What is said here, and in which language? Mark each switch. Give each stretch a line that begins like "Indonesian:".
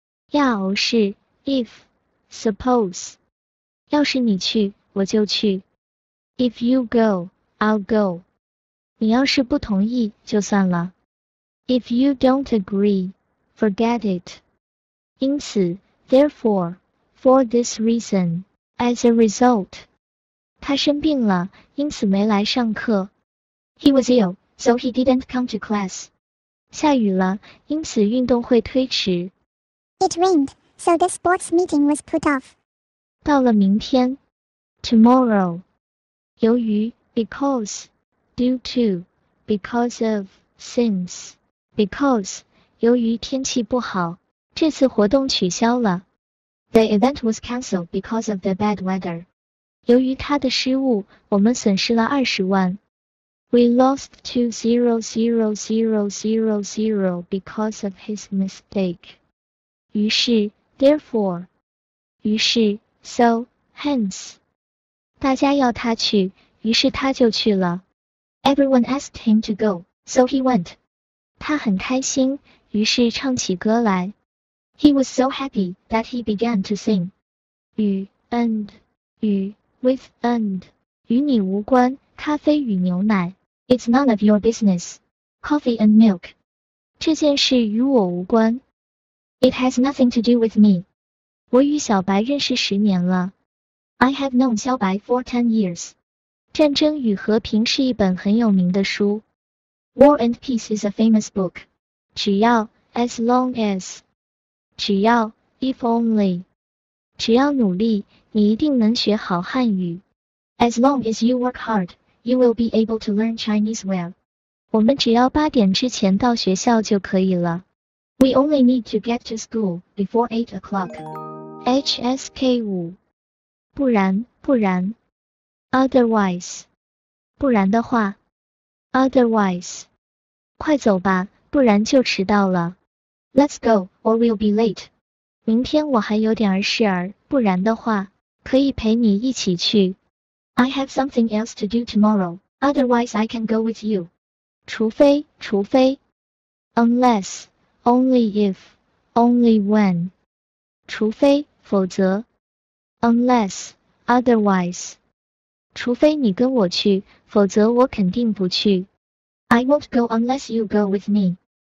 Chinese: 亚偶是 ,if, suppose. 要是你去我就去。
English: If you go, I'll go.
Chinese: 你要是不同意就算了。
English: If you don't agree, forget it. 因此 ,therefore, for this reason, as a result.
Chinese: 他生病了，因此没来上课。
English: He was ill. So he didn't come to class.
Chinese: 下雨了，因此运动会推迟。
English: It rained, so the sports meeting was put off.
Chinese: 到了明天。
English: Tomorrow. 由于 ,because, due to, because of, since. Because,
Chinese: 由于天气不好，这次活动取消了。
English: The event was cancelled because of the bad weather.
Chinese: 由于他的失误，我们损失了20万。
English: We lost 200000 because of his mistake. 于是 ,therefore. 于是 ,so, hence.
Chinese: 大家要他去，于是他就去了。
English: Everyone asked him to go, so he went.
Chinese: 他很开心，于是唱起歌来。
English: He was so happy that he began to sing.
Chinese: 与 ,and. 与 ,
English: with and.
Chinese: 与你无关，咖啡与牛奶。
English: It's none of your business. Coffee and milk.
Chinese: 这件事与我无关。
English: It has nothing to do with me.
Chinese: 我与小白认识十年了。
English: I have known 小白 for 10 years.
Chinese: 战争与和平是一本很有名的书。
English: War and Peace is a famous book. 只要 as long as. 只要 if only.
Chinese: 只要努力你一定能学好汉语。
English: As long as you work hard, you will be able to learn Chinese well.
Chinese: 我们只要八点之前到学校就可以了。
English: We only need to get to school before 8 o'clock.
Chinese: HSK 5. 不然，不然。
English: Otherwise.
Chinese: 不然的话。Otherwise. 快走吧，不然就迟到了。
English: Let's go, or we'll be late.
Chinese: 明天我还有点儿事儿，不然的话，可以陪你一起去。
English: I have something else to do tomorrow, otherwise I can go with you.
Chinese: 除非，除非。
English: Unless. Only if, only when.
Chinese: 除非，否则。
English: Unless, otherwise.
Chinese: 除非你跟我去，否则我肯定不去。
English: I won't go unless you go with me.